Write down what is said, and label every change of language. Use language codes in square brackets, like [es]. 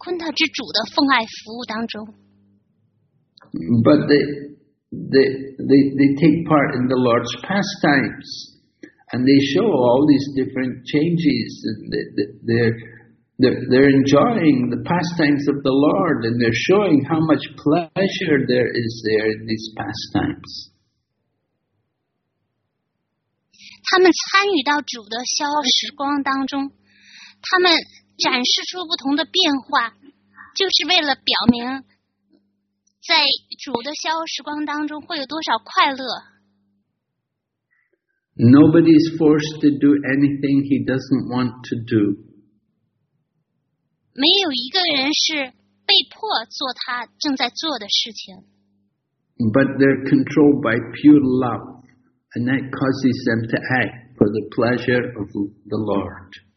[zh] 他们完美地专注于对外昆特之主的奉爱服务当中。 [en] But they take part in the Lord's pastimes, and they show all these different changes. They're enjoying the pastimes of the Lord, and they're showing how much pleasure there is there in these pastimes. [zh] 他们参与到主的逍遥时光当中。他们展示出不同的变化，就是为了表明，在主的逍遥时光当中会有多少快乐。 [en] Nobody is forced to do anything he doesn't want to do. [zh] 没有一个人是被迫做他正在做的事情。 [en] But they're controlled by pure love, and that causes them to act for the pleasure of the Lord.